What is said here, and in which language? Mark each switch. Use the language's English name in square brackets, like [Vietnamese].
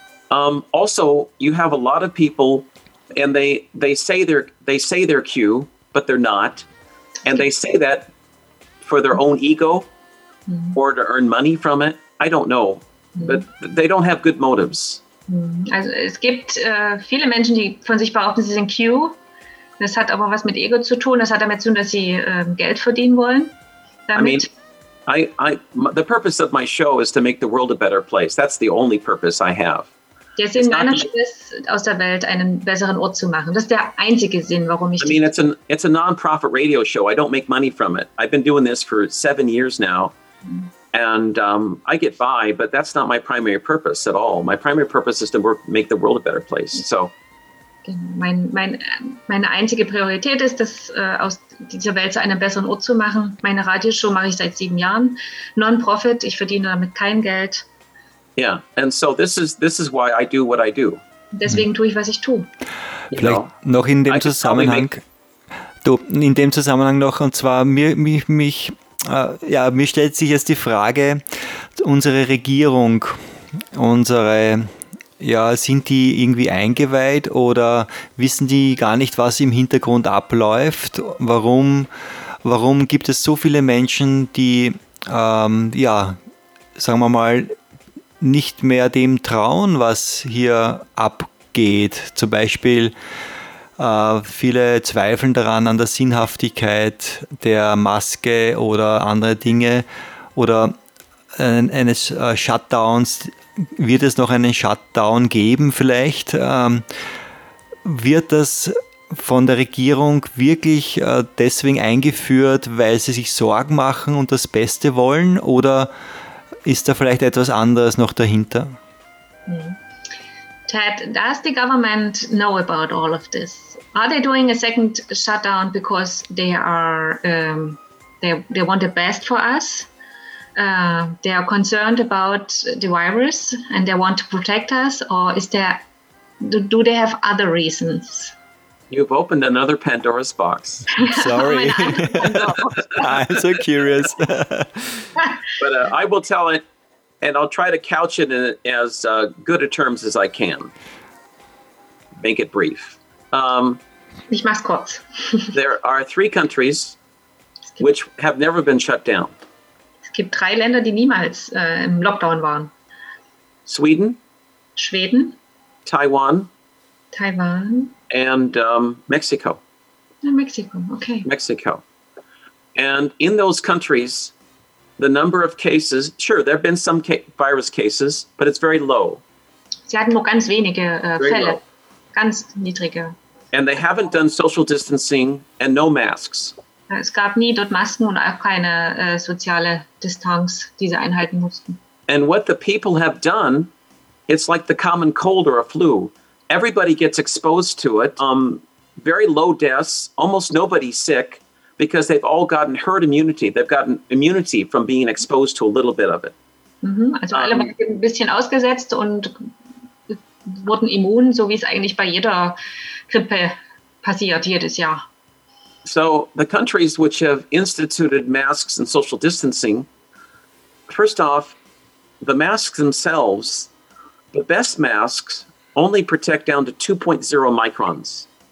[English] Also, you have a lot of people, and they say they're Q, but they're not. And they say that for their own ego, or to earn money from it. I don't know, but they don't have good motives. [German] Also es gibt viele Menschen, die von sich behaupten, sie sind Q. Das hat aber was mit Ego zu tun. Das hat damit zu tun, dass sie Geld verdienen wollen. Damit. [English] I mean, the purpose of my show is to make the world a better place. That's the only purpose I have. [German] Der Sinn meiner Show ist, aus der Welt einen besseren Ort zu machen. Das ist der einzige Sinn, warum ich. [English] I mean, it's a non-profit radio show. I don't make money from it. I've been doing this for 7 years now. And I get by, but that's not my primary purpose at all. My primary purpose is to work, make the world a better place. So, [German] meine einzige Priorität ist, das aus dieser Welt zu einem besseren Ort zu machen. Meine Radioshow mache ich seit 7 Jahren, non-profit. Ich verdiene damit kein Geld. [English] Yeah, and so this is why I do what I do. [German] Deswegen tue ich, was ich tue. Vielleicht noch in dem Zusammenhang. Und zwar mir stellt sich jetzt die Frage, unsere Regierung, unsere, ja, sind die irgendwie eingeweiht oder wissen die gar nicht, was im Hintergrund abläuft? Warum gibt es so viele Menschen, die, ja, sagen wir mal, nicht mehr dem trauen, was hier abgeht? Zum Beispiel, viele zweifeln daran an der Sinnhaftigkeit der Maske oder andere Dinge oder eines Shutdowns. Wird es noch einen Shutdown geben vielleicht? Wird das von der Regierung wirklich deswegen eingeführt, weil sie sich Sorgen machen und das Beste wollen? Oder ist da vielleicht etwas anderes noch dahinter? [English] Ted, does the government know about all of this? Are they doing a second shutdown because they want the best for us? They are concerned about the virus and they want to protect us? Or do they have other reasons? You've opened another Pandora's box. Sorry. I'm so curious. But I will tell it, and I'll try to couch it in as good a terms as I can. Make it brief. [German] Ich mach's kurz. [English] There are three countries which have never been shut down. [German] Es gibt drei Länder, die niemals im Lockdown waren. [English] Sweden. [German] Schweden. [English] Taiwan. And Mexico. Mexico, okay. Mexico. And in those countries, the number of cases, sure, there have been some virus cases, but it's very low. [German] Sie hatten nur ganz wenige Fälle, low. Ganz niedrige. [English] And they haven't done social distancing and no masks. [German] Es gab nie dort Masken und auch keine soziale Distanz, die sie einhalten mussten. [English] And what the people have done, it's like the common cold or a flu. Everybody gets exposed to it, very low deaths, almost nobody sick, because they've all gotten herd immunity. They've gotten immunity from being exposed to a little bit of it. [German] Also alle waren ein bisschen ausgesetzt und wurden immun, so wie es eigentlich bei jeder Grippe passiert, jedes Jahr. [English] So the countries which have instituted masks and social distancing, first off, the masks themselves, the best masks, only protect down to 2.0 microns.